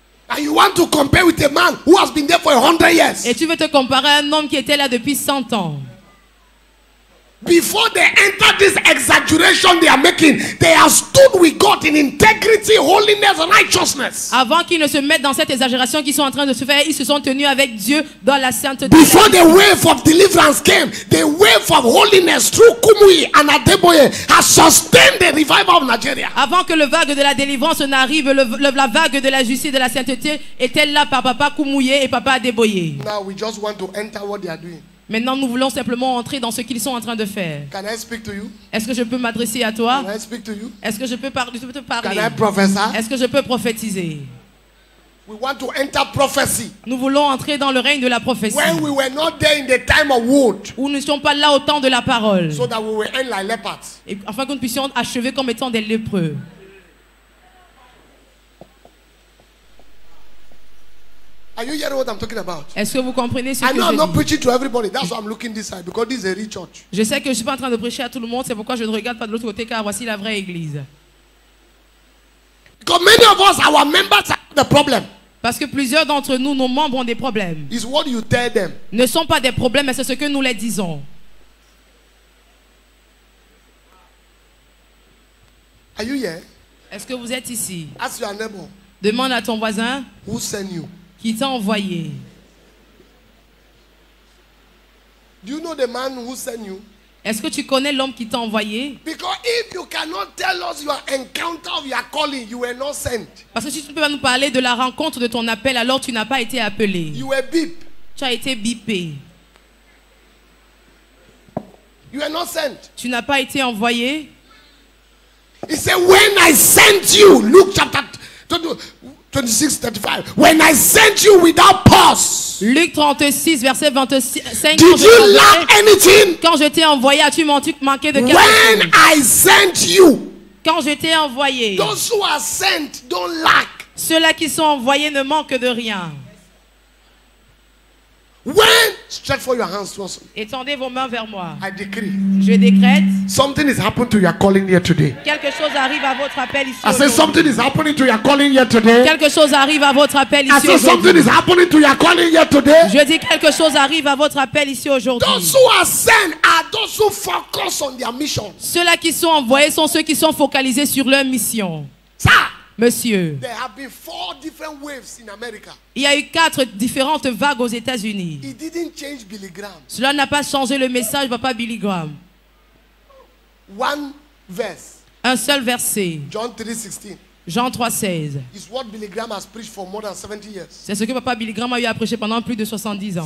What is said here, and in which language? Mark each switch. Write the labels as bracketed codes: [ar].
[en] And you want to compare with a man who has been there for 100 years? [fr] Et tu veux te comparer à un homme qui était là depuis 100 ans? [en] Before they enter this exaggeration they are making, they have stood with God in integrity, holiness, and righteousness. [fr] Avant qu'ils ne se mettent dans cette exagération qu'ils sont en train de se faire, ils se sont tenus avec Dieu dans la sainteté. [en] Before the wave of deliverance came, the wave of holiness through Kumuyi and Adeboye has sustained the revival of Nigeria. [fr] Avant que le vague de la délivrance n'arrive, la vague de la justice de la sainteté était là par Papa Kumuyi et Papa Adeboye. [en] Now we just want to enter what they are doing. [fr] Maintenant, nous voulons simplement entrer dans ce qu'ils sont en train de faire. [en] Can I speak to you? [fr] Est-ce que je peux m'adresser à toi? [en] Can I speak to you? [fr] Est-ce que je peux te parler? [en] Can I prophesy? [fr] Est-ce que je peux prophétiser? [en] We want to enter prophecy. [fr] Nous voulons entrer dans le règne de la prophétie. [en] When we were not there in the time of wood. [fr] Où nous ne sommes pas là au temps de la parole. [en] So that we will end like leopards. [fr] Et afin que nous puissions achever comme étant des lépreux. [en] Are you hearing what I'm talking about? [fr] Est-ce que vous comprenez ce [en] I know [fr] que [en] I'm [fr] je [en] not [fr] dis? [en] Preaching to everybody. That's why I'm looking this side because this is a real church. [fr] Je sais que je suis pas en train de prêcher à tout le monde, c'est pourquoi je ne regarde pas de l'autre côté car voici la vraie église. [en] Because many of us, our members have the problem. [fr] Parce que plusieurs d'entre nous, nos membres ont des problèmes. [en] It's what you tell them. [fr] Ne sont pas des problèmes, mais c'est ce que nous les disons. [en] Are you here? [fr] Est-ce que vous êtes ici? [en] Ask your neighbor. [fr] Demande à ton voisin. [en] Who sent you? [fr] Qui t'a envoyé? [en] Do you know the man who sent you? [fr] Est-ce que tu connais l'homme qui t'a envoyé? [en] Because if you cannot tell us your encounter of your calling, you were not sent. [fr] Parce que si tu ne peux pas nous parler de la rencontre de ton appel, alors tu n'as pas été appelé. [en] You were beep. [fr] Tu as été bippé. [en] You were not sent. [fr] Tu n'as pas été envoyé. [en] He said, "When I sent you, Luke chapter 26:35. When I sent you without pause." [fr] Luc 36 verset 25. [en] Did you lack anything? [fr] Quand je t'ai envoyé, as-tu manqué de quelque chose? [en] When I sent you. [fr] Quand je t'ai envoyé. [en] Those who are sent don't lack. [fr] Ceux-là qui sont envoyés ne manquent de rien. [en] When stretch for your hands towards me. [fr] Étendez vos mains vers moi. [en] I decree. [fr] Je décrète. [en] Something is happening to your calling here today. [fr] Quelque chose arrive à votre appel ici. [en] I say something is happening to your calling here today. [fr] Quelque chose arrive à votre appel ici. [en] I say something is happening to your calling here today. [fr] Je dis quelque chose arrive à votre appel ici aujourd'hui. [en] Those who are sent are those who focus on their mission. [fr] Ceux-là qui sont envoyés sont ceux qui sont focalisés sur leur mission. Ça. Monsieur, [en] there have been four different waves in America. [fr] Il y a eu quatre différentes vagues aux États-Unis. [en] He didn't change Billy Graham. [fr] Cela n'a pas changé le message, papa Billy Graham. [en] One verse. [fr] Un seul verset. [en] John 3:16. Is what Billy Graham has preached for more than 70 years. [fr] C'est ce que papa Billy Graham a eu à prêcher pendant plus de 70 ans.